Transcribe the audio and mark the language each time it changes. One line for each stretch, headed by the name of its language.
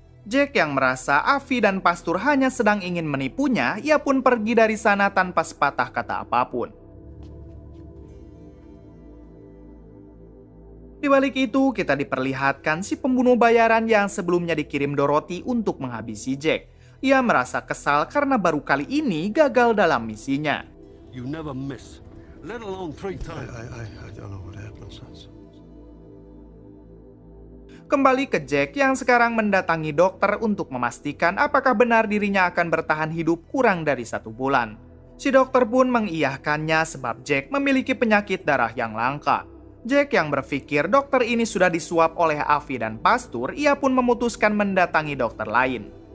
Indonesian: Jack yang merasa Avi dan pastur hanya sedang ingin menipunya, ia pun pergi dari sana tanpa sepatah kata apapun. Di balik itu, kita diperlihatkan si pembunuh bayaran yang sebelumnya dikirim Dorothy untuk menghabisi Jack. Ia merasa kesal karena baru kali ini gagal dalam misinya.
English: You never miss, let alone 3 times. I don't know what happens.
Indonesian: Kembali ke Jack yang sekarang mendatangi dokter untuk memastikan apakah benar dirinya akan bertahan hidup kurang dari 1 bulan. Si dokter pun mengiyakannya sebab Jack memiliki penyakit darah yang langka. Jack yang berpikir dokter ini sudah disuap oleh Avi dan pastur, ia pun memutuskan mendatangi dokter lain.